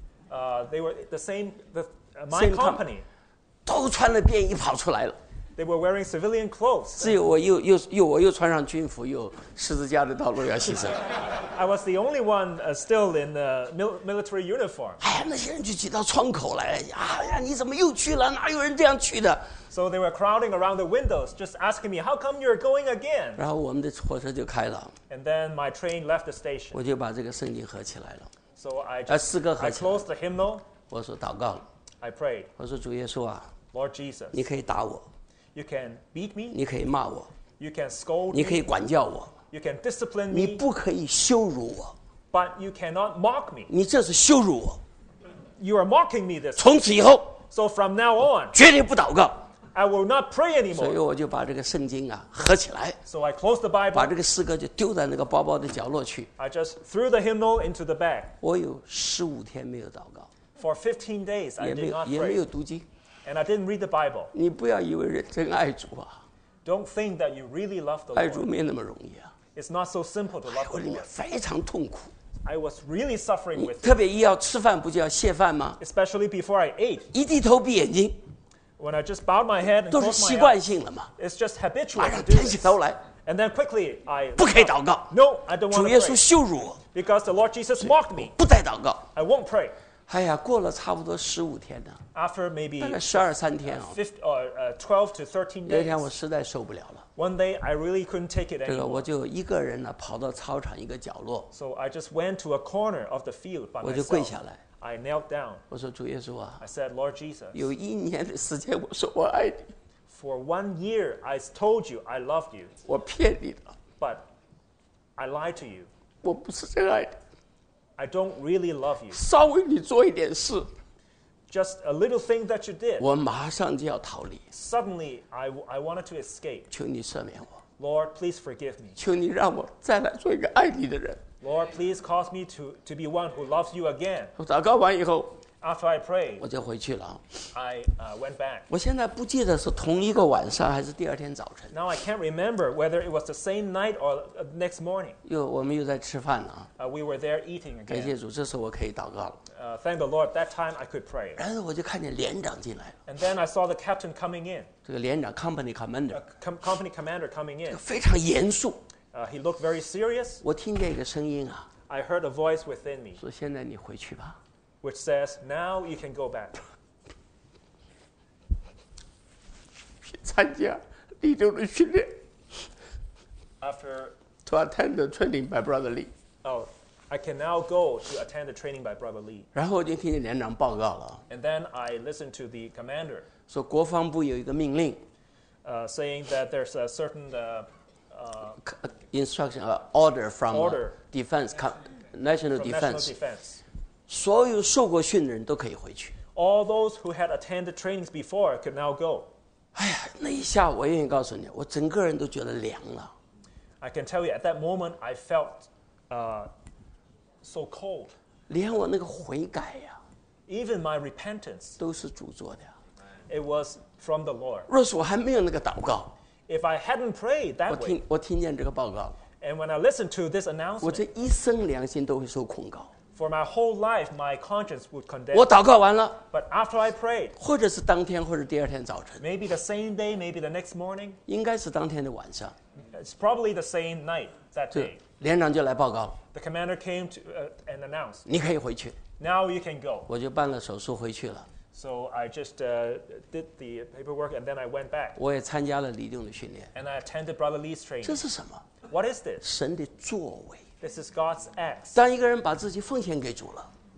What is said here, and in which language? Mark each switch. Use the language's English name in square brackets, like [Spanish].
[English] They were the same. My company. [Chinese] 都穿了便衣跑出来了。 [English] They were wearing civilian clothes. [Chinese] 只有我又穿上军服，又十字架的道路要牺牲。 [English] I was the only one still in the military uniform. [Chinese] 哎呀，那些人就挤到窗口来，哎呀，你怎么又去了？哪有人这样去的 [English] ？So they were crowding around the windows, just asking me, "How come you're going again?" [Chinese] 然后我们的火车就开了。 [English] And then my train left the station. [Chinese] 我就把这个圣经合起来了。 [English] So I just [Chinese] 诗歌合起来。 [English] I closed the hymnal. [Chinese] 我说祷告。 [English] I prayed. [Chinese] 我说主耶稣啊 [English] ，Lord Jesus， [Chinese] 你可以打我。 [English] You can beat me. [Chinese] 你可以骂我。 [English] You can scold me. [Chinese] 你可以管教我。 [English] You can discipline me. [Chinese] 你不可以羞辱我。 [English] But you cannot mock me. [Chinese] 你这是羞辱我。 [English] You are mocking me this. [Chinese] 从此以后。 [English] So from now on. [Chinese] 绝对不祷告。 [English] I will not pray anymore. [Chinese] 所以我就把这个圣经啊合起来。 [English] So I closed the Bible. [Chinese] 把这个诗歌就丢在那个包包的角落去。 [English] I just threw the hymnal into the bag. [Chinese] 我有十五天没有祷告。 [English] For 15 days, I did not pray. [Chinese] 也没有读经。 [English] And I didn't read the Bible. [Chinese] 你不要以为人真爱主啊。 [English] Don't think that you really love the Lord. [Chinese] 爱主没那么容易啊。 [English] It's not so simple to love the Lord. [Chinese] 我里面非常痛苦。 [English] I was really suffering with it. [Chinese] 特别一要吃饭不就要谢饭吗 [English] ？Especially before I ate. [Chinese] 一低头闭眼睛。 [English] When I just bowed my head and closed my eyes. [Chinese] 都是习惯性了嘛。 [English] It's just habitual. [Chinese] 马上抬起头来。 [English] And then quickly I. [Chinese] 不可以祷告。 [English] No, I don't want to pray. [Chinese] 主耶稣羞辱我。 [English] Because the Lord Jesus mocked me. [Chinese] 不再祷告。 [English] I won't pray. [Chinese] 哎呀，过了差不多十五天呢。 [English] After maybe [Chinese] 大概十二三天啊。 [English] 12 to 13 days. [Chinese] 有一天我实在受不了了。 [English] One day I really couldn't take it anymore. [Chinese] 这个我就一个人呢跑到操场一个角落。 [English] So I just went to a corner of the field by myself. [Chinese] 我就跪下来。 [English] I knelt down. [Chinese] 我说主耶稣啊。 [English] I said, Lord Jesus. [Chinese] 有一年的时间，我说我爱你。 [English] For 1 year, I told you I love you. [Chinese] 我骗你的。 [English] But I lied to you. [Chinese] 我不是真爱的。 [English] I don't really love you. [Chinese] 稍微你做一点事 [English] ，just a little thing that you did. [Chinese] 我马上就要逃离。 [English] Suddenly, I wanted to escape. [Chinese] 求你赦免我。 [English] Lord, please forgive me. [Chinese] 求你让我再来做一个爱你的人。 [English] Lord, please cause me to be one who loves you again. [Chinese] 我祷告完以后 [English] ，After I pray, [Chinese] 我就回去了。 [English] I went back. [Chinese] 我现在不记得是同一个晚上还是第二天早晨。 [English] Now I can't remember whether it was the same night or next morning. [Chinese] 又我们又在吃饭呢。 [English] We were there eating again. [Chinese] 感谢主，这时候我可以祷告了。 [English] Thank the Lord. That time I could pray. [Chinese] 然后我就看见连长进来了。 [English] And then I saw the captain coming in. [Chinese] 这个连长 ， [English] company commander. Company commander coming in. [Chinese] 这个非常严肃。 [English] He looked very serious. [Chinese] 我听见一个声音啊。 [English] I heard a voice within me. [Chinese] 说现在你回去吧。 [English] Which says, "Now you can go back." [Chinese] 去参加立州的训练。 [English] After to attend the training by Brother Lee. Oh, I can now go to attend the training by Brother Lee. [Chinese] 然后我就听见连长报告了。 [English] And then I listened to the commander. [Chinese] 说国防部有一个命令。 [English] Saying that there's a certain instruction order from defense national defense. [Chinese] 所有受过训的人都可以回去。 [English] All those who had attended trainings before could now go. [Chinese] 哎呀，那一下我愿意告诉你，我整个人都觉得凉了。 [English] I can tell you at that moment I felt so cold. [Chinese] 连我那个悔改呀、啊、 [English] ，Even my repentance [Chinese] 都是主做的。 [English] It was from the Lord. [Chinese] 若是我还没有那个祷告。 [English] If I hadn't prayed that way, [Chinese] 我听见这个报告。 [English] And when I listened to this announcement, [Chinese] 我这一生良心都会受控告。 [English] For my whole life, my conscience would condemn. [Chinese] 我祷告完了。 [English] But after I prayed, [Chinese] 或者是当天，或者第二天早晨。 [English] Maybe the same day, maybe the next morning. [Chinese] 应该是当天的晚上。 [English] It's probably the same night that day. [Chinese] 连长就来报告了。 [English] The commander came to and announced. [Chinese] 你可以回去。 [English] Now you can go. [Chinese] 我就办了手术回去了。 [English] So I just did the paperwork and then I went back. [Chinese] 我也参加了李定的训练。 [English] And I attended Brother Lee's training. [Chinese] 这是什么？ [English] What is this? [Chinese] 神的作为。 [English] This is God's acts. [Chinese] 当一个人把自己奉献给主了。